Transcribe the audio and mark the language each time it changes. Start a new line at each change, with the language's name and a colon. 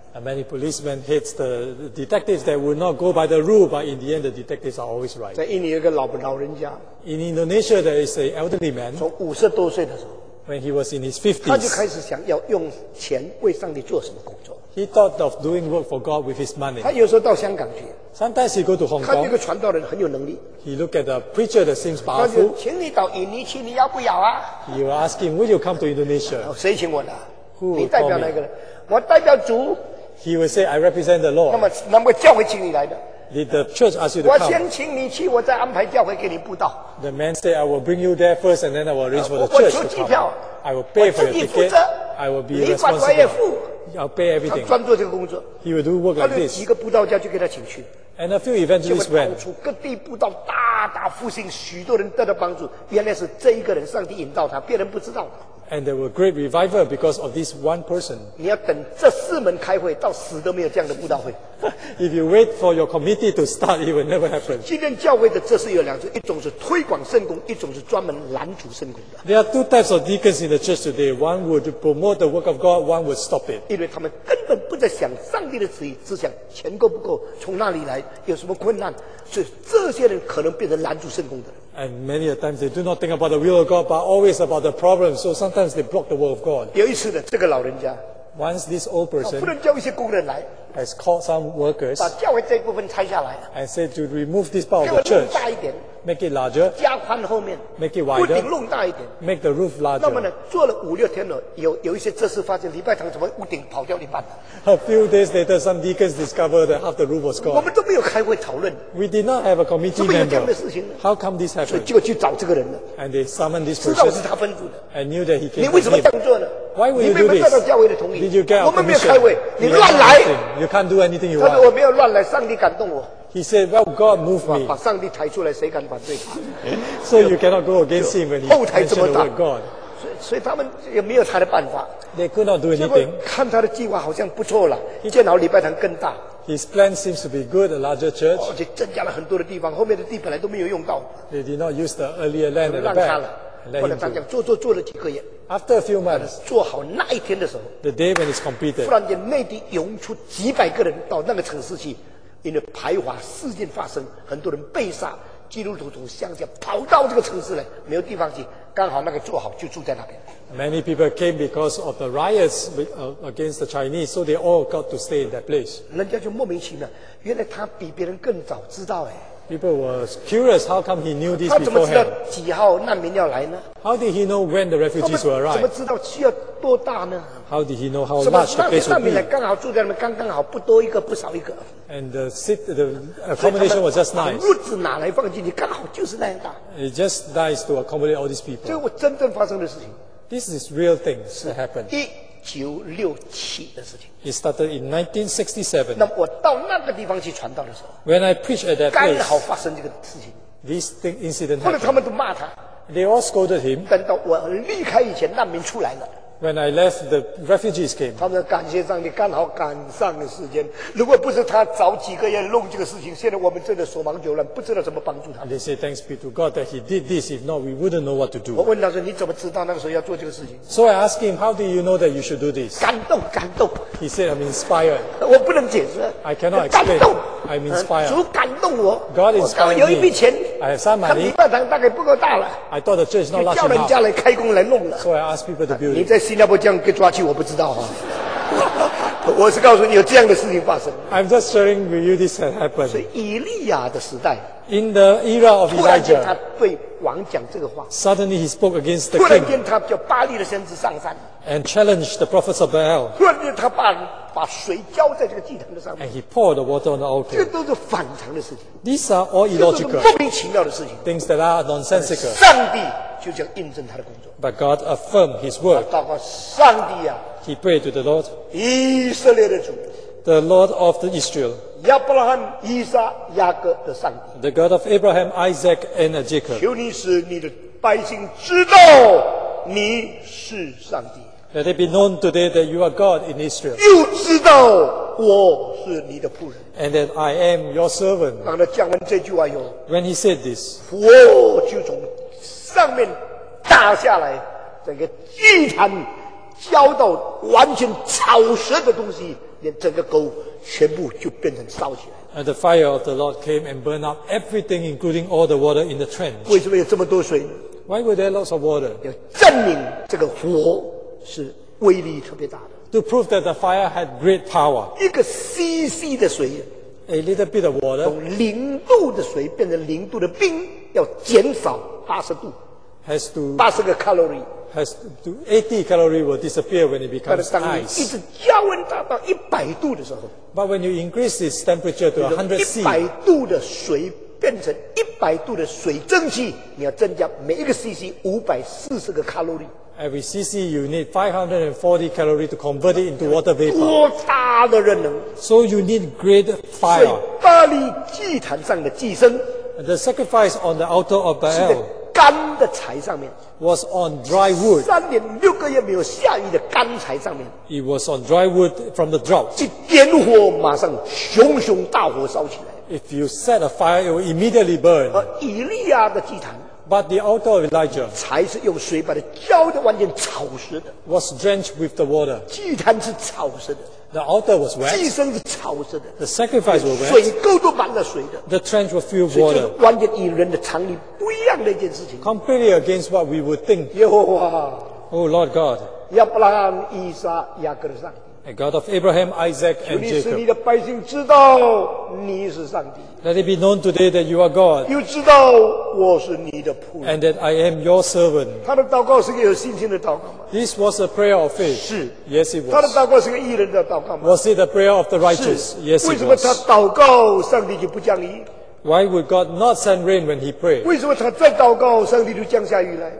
English: And many policemen hate the detectives that would not go by the rule, but in the end, the detectives are always right.
Chinese: 在印尼有一个老人家。
English: In Indonesia, there is an elderly man.
Chinese: 从五十多岁的时候。
English: When he was in his fifties.
Chinese: 他就开始想要用钱为上帝做什么工作。
English: He thought of doing work for God with his money.
Chinese: 他有时候到香港去。
English: Sometimes he go to Hong Kong.
Chinese: 看这个传道人很有能力。
English: He look at a preacher that seems powerful.
Chinese: 他就请你到印尼去，你要不要啊？
English: He will ask him, "Will you come to Indonesia?"
Chinese: 谁请我的？
English: Who will call me?
Chinese: 你代表哪个人？我代表主。
English: He will say, "I represent the Lord."
Chinese: 那么教会请你来的。
English: Did the church ask you to come?
Chinese: 我先请你去，我再安排教会给你布道。
English: The man said, "I will bring you there first, and then I will arrange for the church to come."
Chinese: 我出机票。
English: I will pay for your ticket. I will be responsible.
Chinese: 你管我也付。
English: I'll pay everything.
Chinese: 他专做这个工作。
English: He will do work like this.
Chinese: 他就一个布道家就给他请去。
English: And a few evangelists went.
Chinese: 结果各地布道，大大复兴，许多人得到帮助。原来是这一个人，上帝引导他，别人不知道。
English: And there were great revival because of this one person.
Chinese: 你要等这四门开会，到死都没有这样的布道会。
English: If you wait for your committee to start, it will never happen.
Chinese: 今天教会的这是有两种，一种是推广圣工，一种是专门拦阻圣工的。
English: There are two types of deacons in the church today. One would promote the work of God, one would stop it.
Chinese: 因为他们根本不在想上帝的旨意，只想钱够不够，从哪里来，有什么困难，所以这些人可能变成拦阻圣工的人。
English: And many a times they do not think about the will of God, but always about the problem. So sometimes they block the will of God.
Chinese: 有一次呢，这个老人家
English: once this old person
Chinese: 不能叫一些工人来
English: has called some workers
Chinese: 把教会这部分拆下来
English: and said to remove this part of the church.
Chinese: 弄大一点
English: make it larger.
Chinese: 加宽后面
English: make it wider.
Chinese: 屋顶弄大一点
English: make the roof larger.
Chinese: 那么呢，做了五六天了，有一些执事发现礼拜堂怎么屋顶跑掉一半了。
English: A few days later, some deacons discovered that half the roof was gone.
Chinese: 我们都没有开会讨论。
English: We did not have a committee member. How come this happened?
Chinese: 所以就去找这个人了。
English: And they summoned this person.
Chinese: 知道是他吩咐的。
English: And knew that he came.
Chinese: 你为什么这样做呢？
English: Why would you do this?
Chinese: 你没有得到教会的同意。
English: Did you get a permission?
Chinese: 我们没有开会，你乱来。
English: You can't do anything you want.
Chinese: 他说我没有乱来，上帝感动我。
English: He said, "Well, God moved me."
Chinese: 把上帝抬出来，谁敢反对他？
English: So you cannot go against him when he mentioned the word God.
Chinese: 所以他们也没有他的办法。
English: They could not do anything.
Chinese: 看他的计划好像不错了，建好礼拜堂更大。
English: His plan seems to be good, a larger church.
Chinese: 而且增加了很多的地方，后面的地本来都没有用到。
English: They did not use the earlier land at the back.
Chinese: 让他了，后来他讲做了几个月。
English: After a few months,
Chinese: 做好那一天的时候
English: ，the day when it's completed,
Chinese: 突然间内地涌出几百个人到那个城市去，因为排华事件发生，很多人被杀，基督徒从乡下跑到这个城市来，没有地方去，刚好那个做好就住在那边。
English: Many people came because of the riots against the Chinese, so they all got to stay in that place.
Chinese: 人家就莫名其妙，原来他比别人更早知道哎。
English: People were curious how come he knew this beforehand.
Chinese: 他怎么知道几号难民要来呢？
English: How did he know when the refugees will arrive?
Chinese: 怎么知道需要多大呢？
English: How did he know how large the place would be?
Chinese: 难民来刚好住在那边，刚刚好不多一个不少一个。
English: And the accommodation was just nice.
Chinese: 褥子哪来放进去？刚好就是那样大。
English: It's just nice to accommodate all these people.
Chinese: 这是我真正发生的事情。
English: This is real things that happened.
Chinese: 1967的事情。
English: It started in 1967.
Chinese: 那么我到那个地方去传道的时候
English: ，When I preach at that place，
Chinese: 刚好发生这个事情。
English: This thing incident happened.
Chinese: 后来他们都骂他。
English: They all scolded him.
Chinese: 等到我离开以前，难民出来了。
English: When I left, the refugees came.
Chinese: 他们说感谢上帝，刚好赶上的时间。如果不是他早几个月弄这个事情，现在我们真的手忙脚乱，不知道怎么帮助他。
English: They say thanks be to God that he did this. If not, we wouldn't know what to do.
Chinese: 我问他说你怎么知道那个时候要做这个事情
English: ？So I asked him, how do you know that you should do this?
Chinese: 感动，感动。
English: He said, I'm inspired.
Chinese: 我不能解释。
English: I cannot explain. I'm inspired.
Chinese: 主感动我。
English: God inspired me.
Chinese: 我有一笔钱。
English: I have some money.
Chinese: 他礼拜堂大概不够大了。
English: I thought the church is not large enough.
Chinese: 叫人家来开工来弄了。
English: So I asked people to build it.
Chinese: 你在新加坡这样给抓去，我不知道啊。我是告诉你有这样的事情发生。
English: I'm just sharing with you this has happened.
Chinese: 是以利亚的时代。
English: In the era of Elijah.
Chinese: 突然间他对王讲这个话。
English: Suddenly he spoke against the king.
Chinese: 突然间他叫巴利的先知上山。
English: And challenged the prophets of Baal.
Chinese: 突然间他把水浇在这个祭坛的上面。
English: And he poured the water on the altar.
Chinese: 这都是反常的事情。
English: These are all illogical.
Chinese: 这都是莫名其妙的事情。
English: Things that are nonsensical.
Chinese: 上帝就这样印证他的工作。
English: But God affirmed His word.
Chinese: 祷告上帝啊。
English: He prayed to the Lord.
Chinese: 以色列的主。
English: The Lord of the Israel.
Chinese: 亚伯拉罕、以撒、雅各的上帝。
English: The God of Abraham, Isaac, and Jacob.
Chinese: 求你使你的百姓知道你是上帝。
English: Let it be known today that you are God in Israel.
Chinese: 又知道我是你的仆人。
English: And that I am your servant.
Chinese: 当他讲完这句话以后。
English: When he said this.
Chinese: 我就从上面打下来整个祭坛浇到完全草蛇的东西连整个沟全部就变成烧起来
English: And the fire of the Lord came and burned up everything including all the water in the trench
Chinese: 为什么有这么多水
English: Why were there lots of water
Chinese: 要证明这个火是威力特别大的
English: To prove that the fire had great power
Chinese: 一个 cc 的水
English: A little bit of water
Chinese: 从零度的水变成零度的冰要减少80度
English: Has to
Chinese: 80个 calorie
English: Has to 80 calorie will disappear when it becomes ice.
Chinese: 但是当你一直加温达到100度的时候
English: But when you increase this temperature to 100 C
Chinese: 100度的水变成100度的水蒸气你要增加每一个 cc 540个 calorie
English: Every cc you need 540 calorie to convert it into water vapor
Chinese: 多大的热能
English: So you need great fire
Chinese: 巴黎祭坛上的祭牲
English: The sacrifice on the altar of Baal
Chinese: 干的柴上面
English: was on dry wood.
Chinese: 三年六个月没有下雨的干柴上面
English: it was on dry wood from the drought.
Chinese: 一点火马上熊熊大火烧起来
English: if you set a fire, it will immediately burn.
Chinese: 而以利亚的祭坛
English: but the altar of Elijah
Chinese: 柴是用水把它浇得完全草实的
English: was drenched with the water.
Chinese: 祭坛是草实的
English: the altar was wet.
Chinese: 祭牲是草实的
English: the sacrifice was wet.
Chinese: 水沟都满了水的
English: the trench was filled with water.
Chinese: 所以就完全以人的常理不一样的一件事情
English: Completely against what we would think
Chinese: 耶和华
English: Oh Lord God
Chinese: 亚伯拉罕、以撒、雅各的上帝
English: A God of Abraham, Isaac and Jacob
Chinese: 求你使你的百姓知道你是上帝
English: Let it be known today that you are God
Chinese: 又知道我是你的仆人
English: And that I am your servant
Chinese: 他的祷告是个有信心的祷告吗
English: This was a prayer of faith
Chinese: 是
English: Yes it was
Chinese: 他的祷告是个义人的祷告吗
English: Was it a prayer of the righteous
Chinese: 是
English: Yes it was
Chinese: 为什么他祷告上帝就不降雨
English: Why would God not send rain when He prayed?
Chinese: 为什么他再祷告，上帝就降下雨来